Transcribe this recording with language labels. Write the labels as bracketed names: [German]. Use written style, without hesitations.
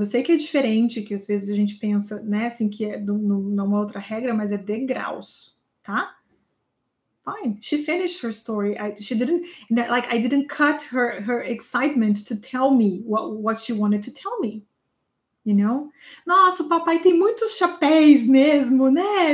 [Portuguese] Eu sei que é diferente, que às vezes a gente pensa, né, assim, que é numa outra regra, mas é degraus, tá? [English] Fine. She finished her story. I didn't cut her excitement to tell me what she wanted to tell me, you know? [Portuguese] Nossa, o papai tem muitos chapéus mesmo, né?